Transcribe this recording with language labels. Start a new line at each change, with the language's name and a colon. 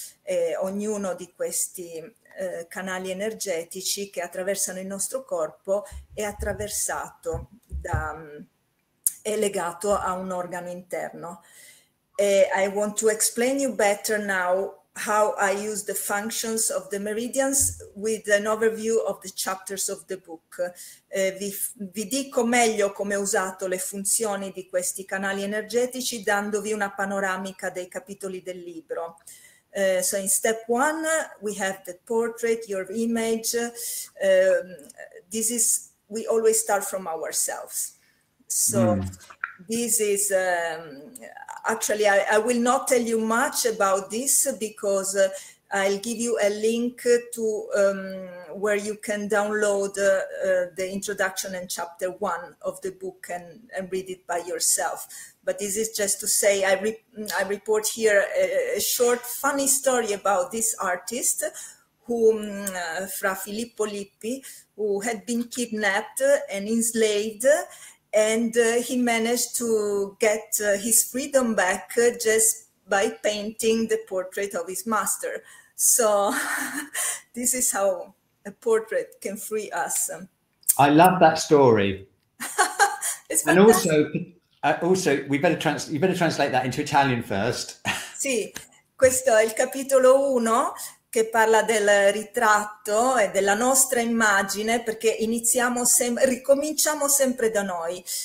Italian: E ognuno di questi canali energetici che attraversano il nostro corpo è attraversato da è legato a un organo interno.
English: E I want to explain you better now how I use the functions of the meridians with an overview of the chapters of the book.
Italian: Vi dico meglio come ho usato le funzioni di questi canali energetici dandovi una panoramica dei capitoli del libro.
English: So in step one we have the portrait, your image. This is, we always start from ourselves. So this is actually, I will not tell you much about this because I'll give you a link to where you can download the introduction and chapter one of the book and read it by yourself. But this is just to say, I report here a short funny story about this artist who, Fra Filippo Lippi, who had been kidnapped and enslaved, and he managed to get his freedom back just by painting the portrait of his master. So this is how a portrait can free us. I love that story. It's and fantastic. Also, you better translate that into Italian first.
Italian: Sì, questo è il capitolo uno che parla del ritratto e della nostra immagine, perché iniziamo ricominciamo sempre da noi.